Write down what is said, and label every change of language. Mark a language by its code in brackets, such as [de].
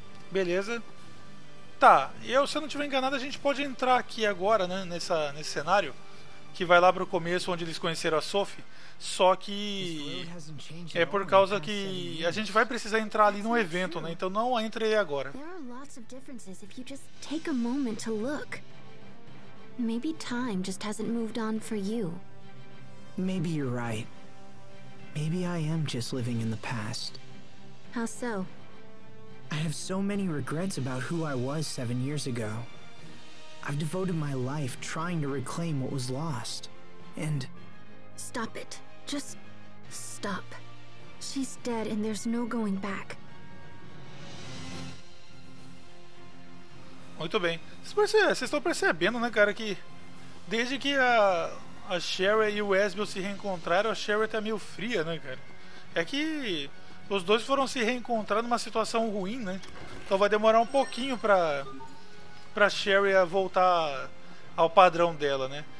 [pt] Beleza. Tá, eu, se eu não estiver enganado, a gente pode entrar aqui agora, né? Nesse cenário. Que vai lá pro começo, onde eles conheceram a Sophie. Só que... é por causa que a gente vai precisar entrar ali num evento, né? Então não entrei agora. Há muitas diferenças se você só tomar um momento para olhar. [en] Maybe time just hasn't moved on for you. Maybe you're right. Maybe I am just living in the past. How so? I have so many regrets about who I was 7 years ago. I've devoted my life trying to reclaim what was lost. And... stop it. Just stop. She's dead and there's no going back. [pt] Muito bem. Vocês estão percebendo, né, cara, que desde que a Sherry e o Esbel se reencontraram, a Sherry tá meio fria, né, cara? É que os dois foram se reencontrar numa situação ruim, né? Então vai demorar um pouquinho pra Sherry voltar ao padrão dela, né?